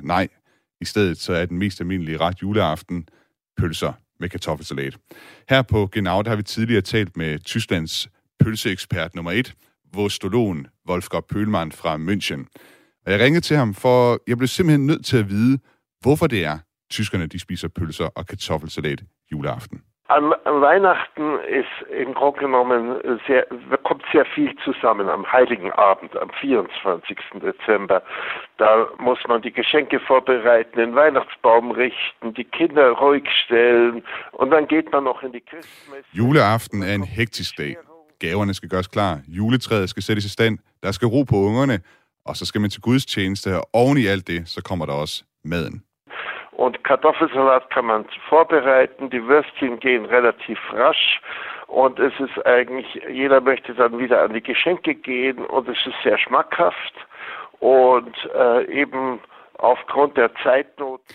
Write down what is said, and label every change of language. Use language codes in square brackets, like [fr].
[da] Nej, i stedet så er den mest almindelige ret juleaften pølser med kartoffelsalat. Her på Genau, der har vi tidligere talt med Tysklands pølseekspert nummer 1, vostologen Wolfgang Pöhlmann fra München. Og jeg ringede til ham, for jeg blev simpelthen nødt til at vide, hvorfor det er, tyskerne de spiser pølser og kartoffelsalat juleaften. [de] Am Weihnachten ist im Grunde genommen kommt sehr viel zusammen am Heiligen Abend, am 24. Dezember. Da muss man die Geschenke vorbereiten, den Weihnachtsbaum richten, die Kinder ruhig stellen und dann geht man noch in die Christmas. [da] Juleaften er en hektisk dag. Gaverne skal gøres klar, juletræet skal sættes i stand, der skal ro på ungerne, og så skal man til gudstjeneste, og oven i alt det, så kommer der også maden. [de] Und Kartoffelsalat kann man vorbereiten, die Würstchen gehen relativ rasch und es ist eigentlich, jeder möchte dann wieder an die Geschenke gehen und es ist sehr schmackhaft und eben aufgrund der Zeitnot